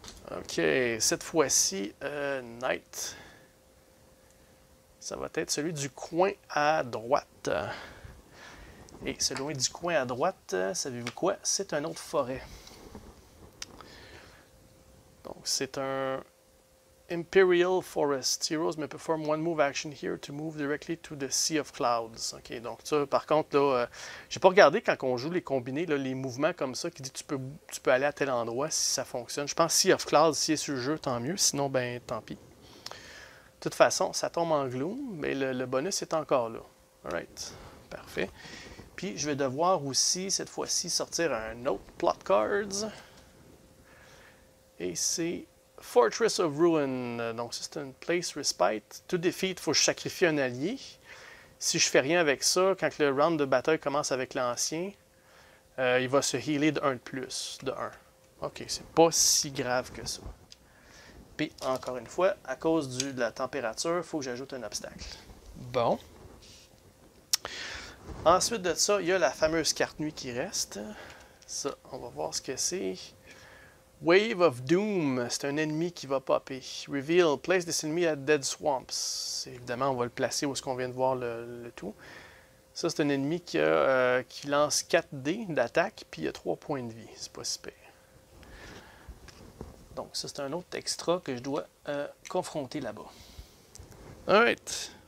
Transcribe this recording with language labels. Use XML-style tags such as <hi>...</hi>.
<fr>OK. Cette fois-ci, night. Ça va être celui du coin à droite. Et celui du coin à droite, savez-vous quoi? C'est un autre forêt. Donc, c'est un Imperial Forest.</fr> <en>Heroes may perform one move action here to move directly to the Sea of Clouds.</en> <fr>OK, donc ça, par contre, là, j'ai pas regardé quand on joue les combinés, là, les mouvements comme ça, qui dit tu peux aller à tel endroit si ça fonctionne. Je pense Sea of Clouds, si est sur le jeu, tant mieux. Sinon, ben tant pis. De toute façon, ça tombe en gloom, mais le bonus est encore là. Alright. Parfait. Puis, je vais devoir aussi, cette fois-ci, sortir un autre plot cards. Et c'est Fortress of Ruin. Donc, c'est une place respite. To defeat, il faut sacrifier un allié. Si je fais rien avec ça, quand le round de bataille commence avec l'ancien, il va se healer de 1 de plus, de 1. Ok, c'est pas si grave que ça. Puis, encore une fois, à cause de la température, il faut que j'ajoute un obstacle. Bon. Ensuite de ça, il y a la fameuse carte nuit qui reste. Ça, on va voir ce que c'est. Wave of Doom, c'est un ennemi qui va popper.</fr> <en>Reveal, place this enemy at Dead Swamps.</en> <fr>Évidemment, on va le placer où est-ce qu'on vient de voir le tout. Ça, c'est un ennemi qui lance 4 dés d'attaque, puis il a 3 points de vie. C'est pas si pire. Donc, ça, c'est un autre extra que je dois confronter là-bas. Alright.</fr>